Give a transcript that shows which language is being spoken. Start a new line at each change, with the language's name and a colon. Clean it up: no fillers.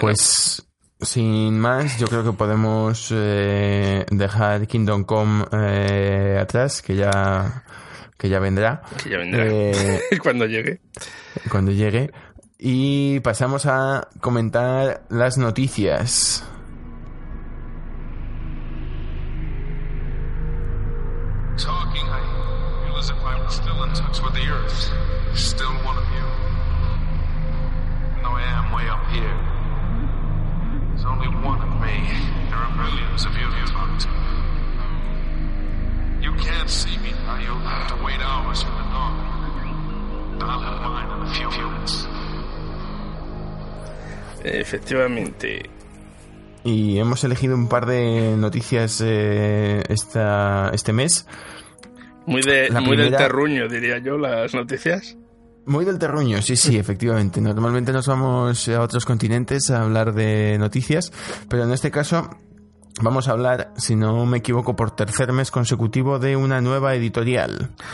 Spanish: Pues, sin más, yo creo que podemos dejar Kingdom Come atrás, que ya vendrá. Que ya vendrá. Cuando llegue. Y pasamos a comentar las noticias.
English: Talking, I feel as if I was still in touch with the earth. Still one of you. No, I am way up here. There's only one of me. There are millions of you to talk to. You can't see me now. You'll have to wait hours in the dark. I'll have mine in a few minutes.
Spanish: Efectivamente. Y hemos elegido un par de noticias este mes. Muy del terruño, diría yo, las noticias. Muy del terruño, sí, efectivamente. Normalmente nos vamos a otros continentes a hablar de noticias, pero en este caso vamos a hablar, si no me equivoco, por tercer mes consecutivo de una nueva editorial.